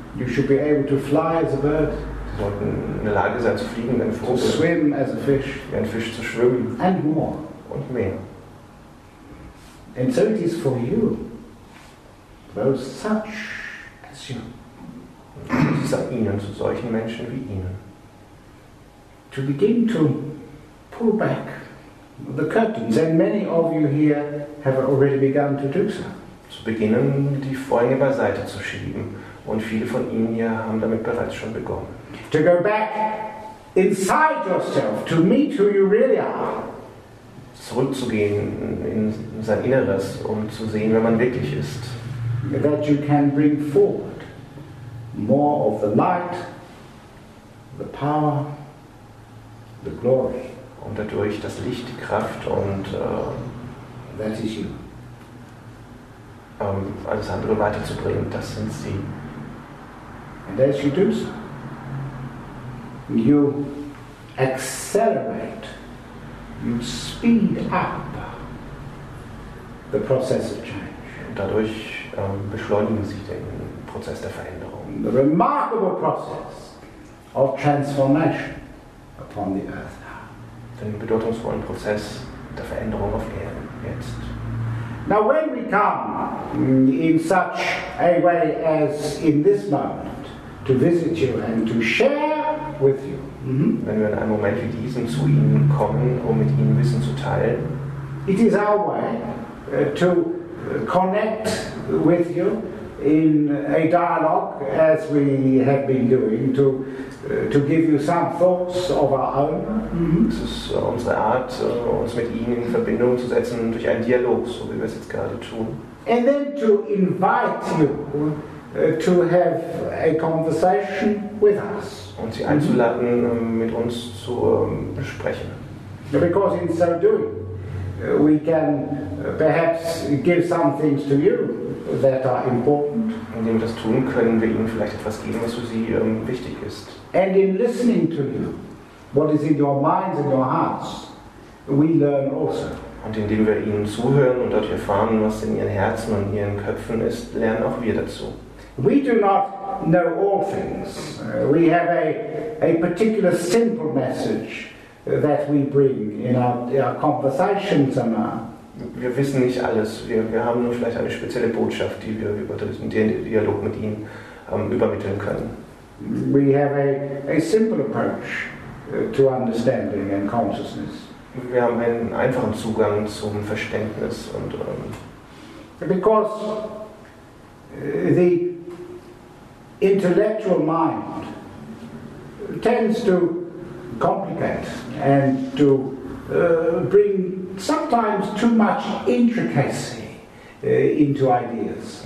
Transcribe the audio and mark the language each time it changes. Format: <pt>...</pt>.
<en>You should be able to fly as a bird.</en> <de>Sie sollten in der Lage sein zu fliegen, wie ein Vogel.</de> <en>To swim as a fish.</en> <de>Wie ein Fisch zu schwimmen.</de> <en>And more.</en> <de>Und mehr.</de> <en>And so it is for you, those such as you.</en> <de>Es ist an Ihnen, zu solchen Menschen wie Ihnen.</de> <en>To begin to pull back the curtains, and many of you here have already begun to do so.</en> <de>Zu beginnen, die Vorhänge beiseite zu schieben. Und viele von Ihnen hier haben damit bereits schon begonnen.</de> <en>To go back inside yourself, to meet who you really are.</en> <de>Zurückzugehen in sein Inneres, um zu sehen, wer man wirklich ist.</de> <en>That you can bring forward more of the light, the power, the glory.</en> <de>Und dadurch das Licht, die Kraft und</de> <en>that is you.</en> <de>Alles andere weiterzubringen, das sind Sie.</de> <en>And as you do so, you accelerate, you speed up the process of change.</en> <de>Und dadurch beschleunigen Sie den Prozess der Veränderung.</de> <en>The remarkable process of transformation upon the earth now.</en> <de>Den bedeutungsvollen Prozess der Veränderung auf Erden jetzt.</de> <en>Now when we come in such a way as in this moment to visit you and to share with you,</en> <de>wenn wir in einem Moment wie diesem zu Ihnen kommen, um mit Ihnen Wissen zu teilen,</de> <en>it is our way to connect with you in a dialogue, as we have been doing, to give you some thoughts of our own.</en> <de>Es ist unsere Art, uns mit Ihnen in Verbindung zu setzen durch einen Dialog, so wie wir es jetzt gerade tun.</de> <en>And then to invite you to have a conversation with us.</en> <de>Und Sie einzuladen, mit uns zu sprechen.</de> <en>Because in so doing, we can perhaps give some things to you that are important.</en> <de>Indem wir das tun, können wir Ihnen vielleicht etwas geben, was für Sie wichtig ist.</de> <en>And in listening to you, what is in your minds and your hearts, we learn also.</en> <de>Und indem wir Ihnen zuhören und dort erfahren, was in Ihren Herzen und Ihren Köpfen ist, lernen auch wir dazu.</de> <en>We do not know all things. We have a particular simple message that we bring in our conversations now.</en> <de>Wir wissen nicht alles. Wir haben nur vielleicht eine spezielle Botschaft, die wir über den Dialog mit Ihnen übermitteln können.</de> <en>We have a simple approach to understanding and consciousness.</en> <de>Wir haben einen einfachen Zugang zum Verständnis und</de> <en>because the intellectual mind tends to complicate and to bring sometimes too much intricacy into ideas.</en>